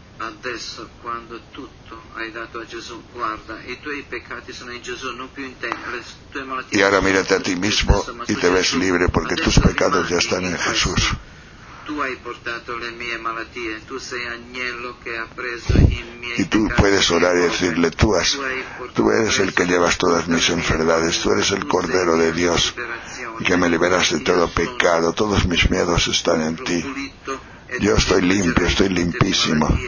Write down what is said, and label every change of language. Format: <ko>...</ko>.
<it>Adesso quando tutto hai dato a Gesù, guarda, i tuoi peccati sono in Gesù, non più in te, le tue malattie.</it> <es>Y ahora mírate a ti mismo y te ves libre porque tus pecados ya están en Jesús.</es> <it>Tu hai portato le mie malattie, tu sei agnello che ha preso i miei peccati.</it> <es>Y tú puedes orar y decirle, tú eres el que llevas todas mis enfermedades, tú eres el Cordero de Dios que me liberas de todo pecado, todos mis miedos están en ti. Yo estoy limpio, estoy limpísimo.</es>